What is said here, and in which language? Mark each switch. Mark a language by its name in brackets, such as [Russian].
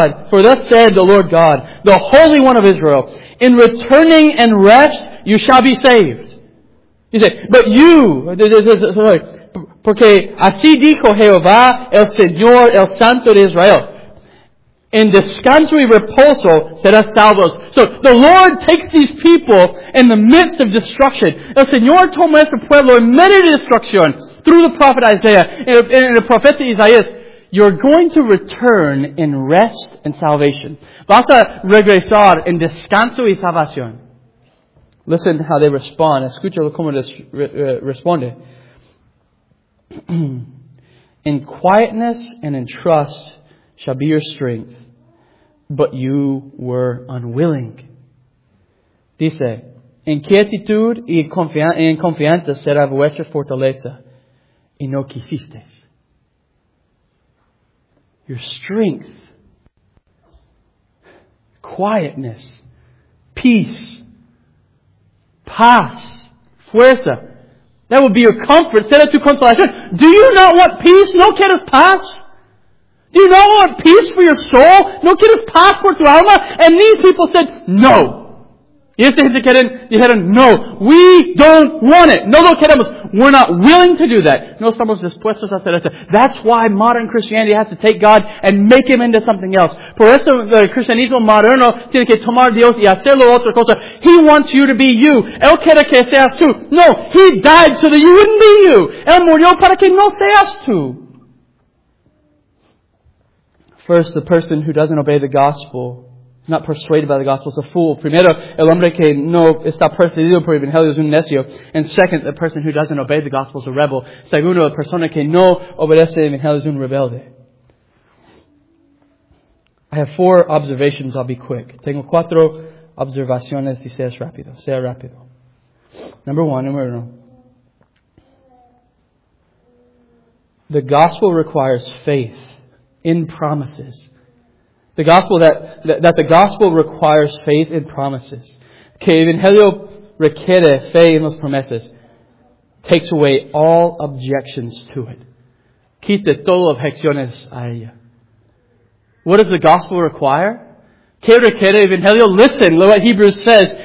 [English] For thus said the Lord God, the Holy One of Israel, in returning and rest, you shall be saved. He said, but you, sorry, [Spanish] porque así dijo Jehová, el Señor, el Santo de Israel. In descanso y reposo serás salvos. [English] So the Lord takes these people in the midst of destruction. [Spanish] El Señor tomó este pueblo en medio de destrucción [English] through the prophet Isaiah and the prophet [Spanish] Isaías. [English] You're going to return in rest and salvation. [Spanish] Vas a regresar en descanso y salvación. [English] Listen how they respond. [Spanish] Escucha cómo responde. [English] In quietness and in trust shall be your strength. But you were unwilling. [Spanish] Dice, inquietud y confianza será vuestra fortaleza. Y no quisisteis. [English] Your strength, quietness, peace, paz, fuerza. That would be your comfort. [Spanish] Será tu consolación. [English] Do you not want peace? [Spanish] No quieres paz? [English] Do you not want peace for your soul? [Spanish] No quieres paz por tu alma? [English] And these people said, no. [Spanish] Y este gente quieren, dijeron, no, [English] we don't want it. [Spanish] No lo queremos. [English] We're not willing to do that. [Spanish] No estamos dispuestos a hacer eso. [English] That's why modern Christianity has to take God and make Him into something else. [Spanish] Por eso el cristianismo moderno tiene que tomar Dios y hacerlo otra cosa. [English] He wants you to be you. [Spanish] Él quiere que seas tú. [English] No, He died so that you wouldn't be you. [Spanish] Él murió para que no seas tú. [English] First, the person who doesn't obey the gospel, not persuaded by the gospel, is a fool. [Spanish] Primero, el hombre que no está persuadido por el evangelio es un necio. [English] And second, the person who doesn't obey the gospel is a rebel. [Spanish] Segundo, la persona que no obedece el evangelio es un rebelde. [English] I have four observations. I'll be quick. [Spanish] Tengo cuatro observaciones y seas rápido. Sea rápido. [English] Number one, [Spanish] número uno. [English] The gospel requires faith in promises. The gospel requires faith in promises. [Spanish] Que el evangelio requiere fe en las promesas. [English] Takes away all objections to it. [Spanish] Quita todas objeciones a ella. [English] What does the gospel require? [Spanish] Que requiere el evangelio? [English] Listen to what Hebrews says.